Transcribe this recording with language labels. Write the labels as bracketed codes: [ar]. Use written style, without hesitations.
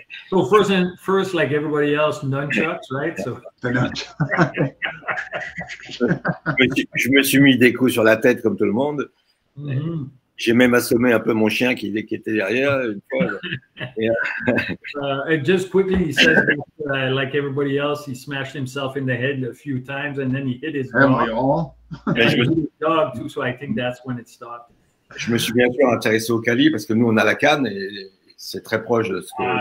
[en] So first, like everybody else, nunchucks, right? So the nunchucks. [fr] Je me suis mis des coups sur la tête comme tout le monde. Mm-hmm. J'ai même assommé un peu mon chien qui était derrière une fois. [en] And just quickly, he says, like everybody else, he smashed himself in the head a few times, and then he hit his dog. Dog too. So I think that's when it stopped. [fr] Je me suis bien sûr intéressé au Cali parce que nous on a la canne et. C'est très proche de ce que...